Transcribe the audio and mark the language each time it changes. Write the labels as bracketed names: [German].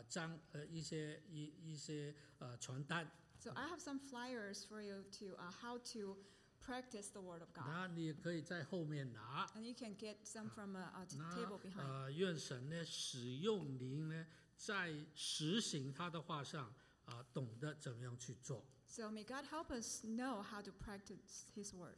[Chinese] 我在后面也为大家印了上次派给大家的怎么样去应用圣经的那个传单。 [English] So I have some flyers for you to how to practice the word of God. [Chinese] 那你可以在后面拿。 [English] And you can get some from a table behind. [Chinese] 愿神呢使用您呢。在实行他的话上，懂得怎么样去做。 [English] So may God help us know how to practice His word.